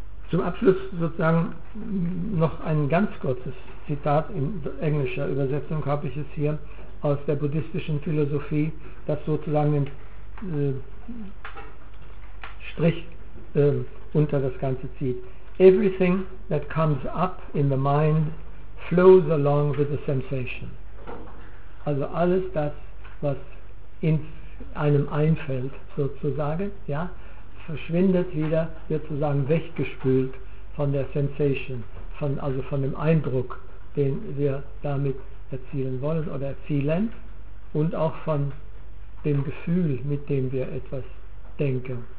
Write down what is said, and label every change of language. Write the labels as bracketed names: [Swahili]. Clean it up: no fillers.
[German] Zum Abschluss sozusagen noch ein ganz kurzes Zitat in englischer Übersetzung habe ich es hier aus der buddhistischen Philosophie, das sozusagen den Strich unter das Ganze zieht. [English] Everything that comes up in the mind flows along with the sensation. [German] Also alles das, was in einem einfällt sozusagen, ja, verschwindet wieder, wird sozusagen weggespült von der Sensation, von dem Eindruck, den wir damit erzielen wollen oder erzielen und auch von dem Gefühl, mit dem wir etwas denken.